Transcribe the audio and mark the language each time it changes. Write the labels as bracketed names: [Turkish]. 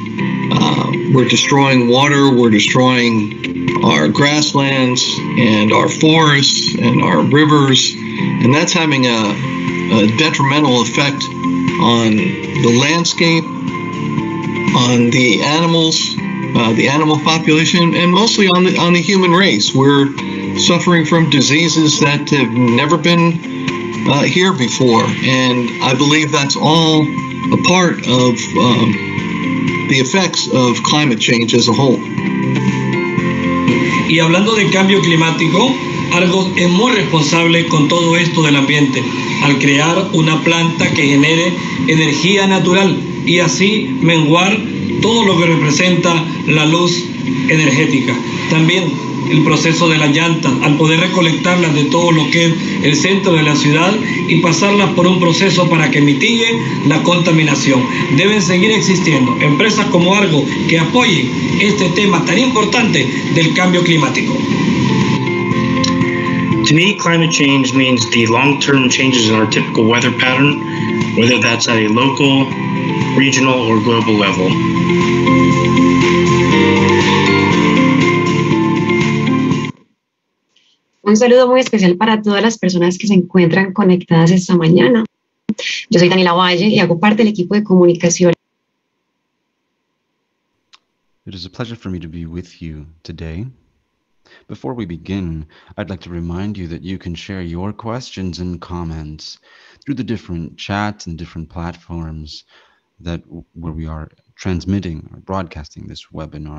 [English] We're destroying water, we're destroying our grasslands and our forests and our rivers, and that's having a detrimental effect on the landscape, on the animals, the animal population, and mostly on the human race. We're suffering from diseases that have never been here before, and I believe that's all a part of the effects of climate change as a whole. [Spanish] Y hablando de cambio climático, algo es muy responsable con todo esto del ambiente, al crear una planta que genere energía natural y así menguar todo lo que representa la luz energética. También el proceso de la llanta, al poder recolectarlas de todo lo que es el centro de la ciudad y pasarlas por un proceso para que mitigue la contaminación. Deben seguir existiendo empresas como Argo que apoyen este tema tan importante del cambio climático. [English] To me, climate change means the long-term changes in our typical weather pattern, whether that's at a local, regional, or global level. [Spanish] Un saludo muy especial para todas las personas que se encuentran conectadas esta mañana. Yo soy Daniela Valle y hago parte del equipo de comunicación. [English] It is a pleasure for me to be with you today. Before we begin, I'd like to remind you that you can share your questions and comments through the different chats and different platforms that where we are transmitting or broadcasting this webinar.